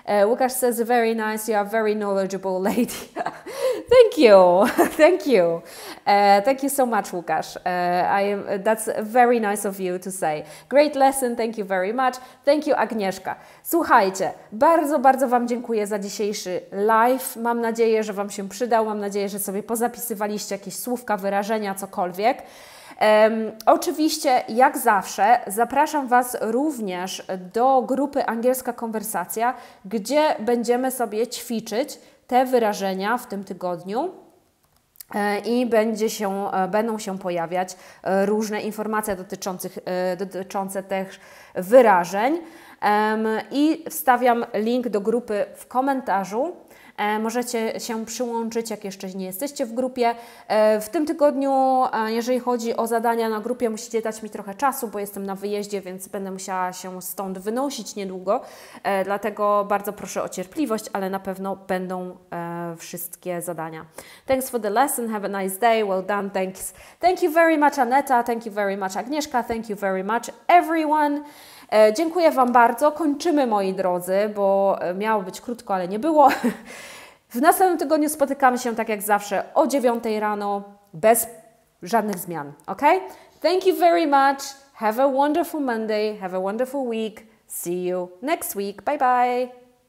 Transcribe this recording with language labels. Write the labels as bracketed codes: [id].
[en] Łukasz says very nice, you are very knowledgeable lady. Thank you, thank you. Thank you so much, Łukasz. That's very nice of you to say. Great lesson, thank you very much. Thank you, Agnieszka. [pl] Słuchajcie, bardzo, bardzo Wam dziękuję za dzisiejszy live. Mam nadzieję, że Wam się przydał. Mam nadzieję, że sobie pozapisywaliście jakieś słówka, wyrażenia, cokolwiek. Oczywiście, jak zawsze, zapraszam Was również do grupy Angielska Konwersacja, gdzie będziemy sobie ćwiczyć te wyrażenia w tym tygodniu i będą się pojawiać różne informacje dotyczące tych wyrażeń. I wstawiam link do grupy w komentarzu. Możecie się przyłączyć, jak jeszcze nie jesteście w grupie. W tym tygodniu, jeżeli chodzi o zadania na grupie, musicie dać mi trochę czasu, bo jestem na wyjeździe, więc będę musiała się stąd wynosić niedługo. Dlatego bardzo proszę o cierpliwość, ale na pewno będą wszystkie zadania. [en] Thanks for the lesson. Have a nice day. Well done. Thanks. Thank you very much, Aneta. Thank you very much, Agnieszka. Thank you very much, everyone. [pl] Dziękuję Wam bardzo. Kończymy, moi drodzy, bo miało być krótko, ale nie było. W następnym tygodniu spotykamy się, tak jak zawsze, o 9 rano, bez żadnych zmian. [en] Ok? Thank you very much. Have a wonderful Monday. Have a wonderful week. See you next week. Bye bye.